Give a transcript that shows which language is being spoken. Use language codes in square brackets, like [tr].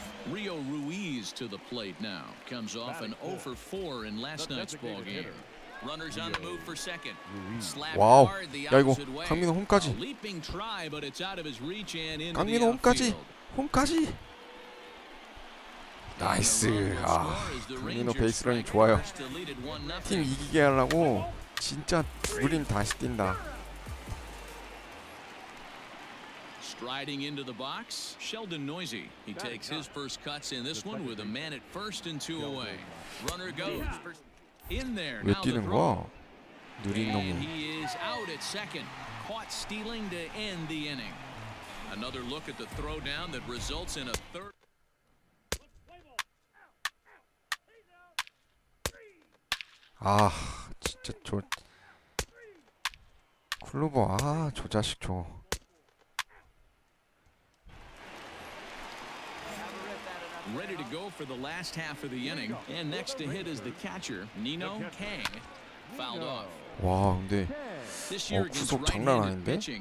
[en] Rio Ruiz to the plate now. Comes off an 0 for 4 in last night's ball game. Runners on the move for second. [ko] Wow. 야 이거 강민호 홈까지. [en] Leaping try, but it's out of his reach and in. [ko] 강민호 홈까지. 홈까지. 나이스. 아, 강민호 베이스런이 좋아요. 팀 이기게 하려고 진짜 우린 다시 뛴다. [en] Striding into the box, Sheldon Noisy. He takes his first cuts in this one with a man at first and two away. Runner goes. In there. Now the throw. [ko] 누린 [en] 놈. He is out at second, caught stealing to end the inning. Another look at the throw down that results in a third. [ko] Ah, 진짜 저 클로버 아 저 자식 저. [en] Ready to go for the last half of the inning, and next to hit is the catcher Nino Kang, fouled off. [ko] 와 근데 구속 장난 아닌데?